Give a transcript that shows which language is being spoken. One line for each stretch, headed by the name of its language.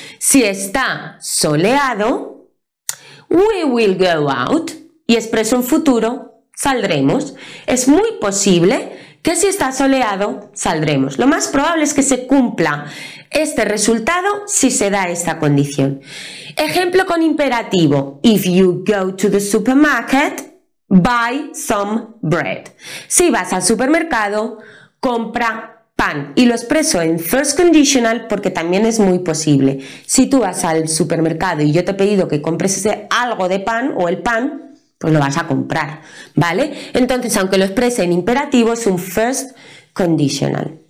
Spanish: Si está soleado,
English: we will go out.
Spanish: Y expreso un futuro, saldremos. Es muy posible que si está soleado, saldremos. Lo más probable es que se cumpla este resultado si se da esta condición. Ejemplo con imperativo.
English: If you go to the supermarket, buy some bread.
Spanish: Si vas al supermercado, compra pan. Y lo expreso en first conditional porque también es muy posible. Si tú vas al supermercado y yo te he pedido que compres ese algo de pan o el pan, pues lo vas a comprar, ¿vale? Entonces, aunque lo exprese en imperativo, es un first conditional.